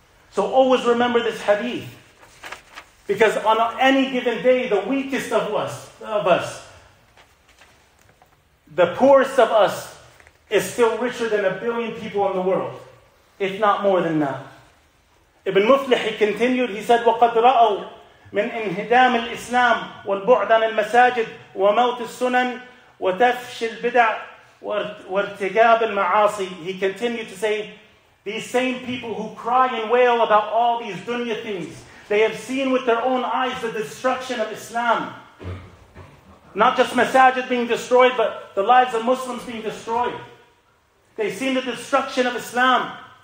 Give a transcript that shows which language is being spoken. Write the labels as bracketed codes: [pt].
[en] So always remember this hadith. Because on any given day, the weakest of us, the poorest of us, is still richer than a billion people in the world. If not more than that. Ibn Muflih, he continued, he said, [ar] وَقَدْ رَأَوْا مِنْ إِنْهِدَامِ الْإِسْلَامِ وَالْبُعْدَ مِنْ الْمَسَاجِدِ وَمَوْتِ السُّنَنِ وَتَفْشِ الْبِدَعِ وَارْتِجَابِ الْمَعَاصِي. [en] He continued to say, these same people who cry and wail about all these dunya things, they have seen with their own eyes the destruction of Islam. Not just masajid being destroyed, but the lives of Muslims being destroyed. They've seen the destruction of Islam.